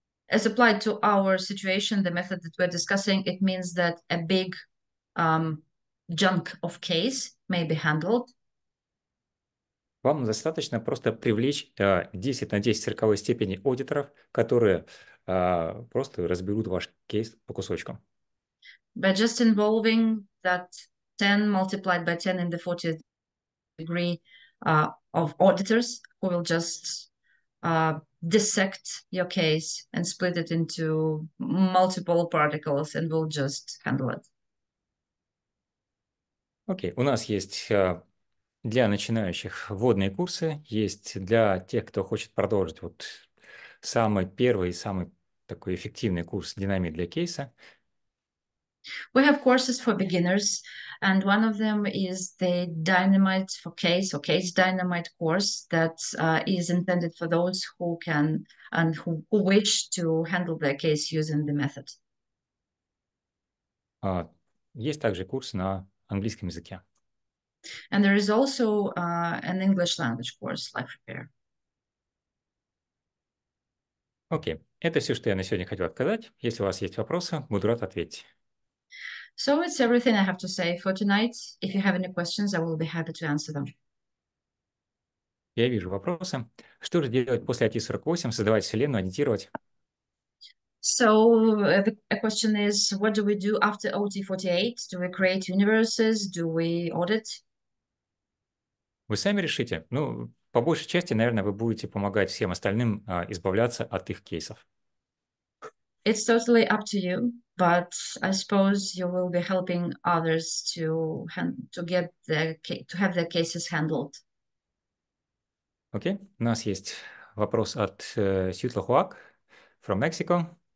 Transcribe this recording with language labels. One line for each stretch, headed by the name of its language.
English: As applied to our situation, the method that we're discussing, it means that a big junk of case may be handled.
Russian: Вам достаточно просто привлечь 10 на 10 сороковой степени аудиторов, которые просто разберут ваш кейс по кусочкам.
English: By just involving that 10 multiplied by 10 in the 40th degree of auditors who will just dissect your case and split it into multiple particles and will just handle it.
Russian: Окей, у нас есть для начинающих вводные курсы, есть для тех, кто хочет продолжить вот самый первый, самый такой эффективный курс динамии для кейса.
English: We have courses for beginners, and one of them is the Dynamite for Case or Case Dynamite course that is intended for those who can and who wish to handle their case using the method.
Russian: Есть также курс на английском языке.
English: And there is also an English language course, Life Repair.
Russian: Окей, это все, что я на сегодня хотел сказать. Если у вас есть вопросы, буду рад ответить.
English: So it's everything I have to say for tonight. If you have any questions, I will be happy to answer them.
Russian: Я вижу вопросы. Что же делать после IT-48? Создавать вселенную, адитировать?
English: So a question is, what do we do after OT-48? Do we create universes? Do we audit?
Russian: Вы сами решите. Ну, по большей части, наверное, вы будете помогать всем остальным избавляться от их кейсов.
English: It's totally up to you, but I suppose you will be helping others to have their cases handled. Okay.
Russian: У нас есть вопрос от Сьютла Хуак
English: from Mexico.